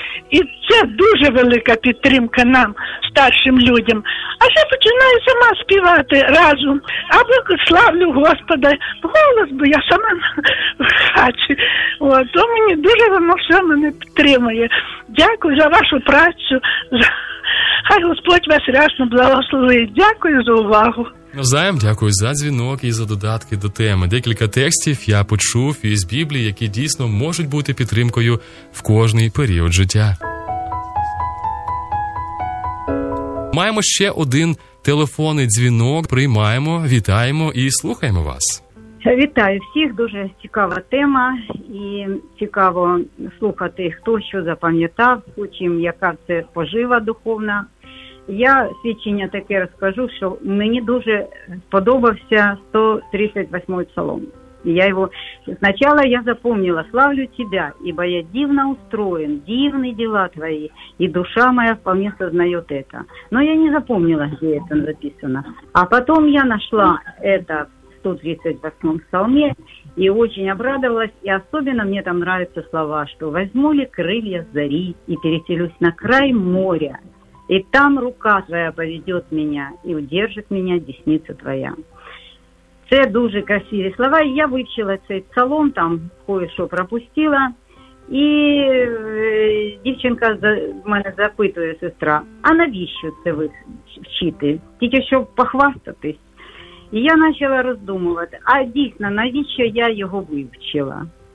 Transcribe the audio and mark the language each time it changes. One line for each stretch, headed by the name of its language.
Ukrainian: І це дуже велика підтримка нам, старшим людям. А ще починаю сама співати разом. Або славлю Господа голос, бо я сама в хаті. То мені дуже воно все мене підтримує. Дякую за вашу працю. Хай Господь вас рясно благословить. Дякую за увагу. Навзаєм, дякую за дзвінок і за додатки до теми. Декілька текстів я почув із Біблії, які дійсно можуть бути підтримкою в кожний період життя. Маємо ще один телефонний дзвінок. Приймаємо, вітаємо і слухаємо вас. Вітаю всіх, дуже цікава тема і цікаво слухати, хто що запам'ятав, потім яка це пожива духовна. Я свідчення таке розкажу, що мені дуже подобався 138-й псалом. Я його спочатку я запомнила:
Russian: «Славлю тебя, ибо я дивно устроен, дивны дела твои, и душа моя вполне сознает это». Но я не запомнила, где это записано. А потом я нашла это в 138-м псалме и очень обрадовалась. И особенно мне там нравятся слова, что «возьму ли крылья зари и переселюсь на край моря, и там рука твоя поведет меня, и удержит меня десница твоя».
Ukrainian: Це дуже красиві слова. Я вивчила цей псалом, там кое-що пропустила. І дівчинка в мене запитує, сестра: «А навіщо це ви вчити? Тільки щоб похвастатись?» І я почала роздумувати, а дійсно, навіщо я його вивчила?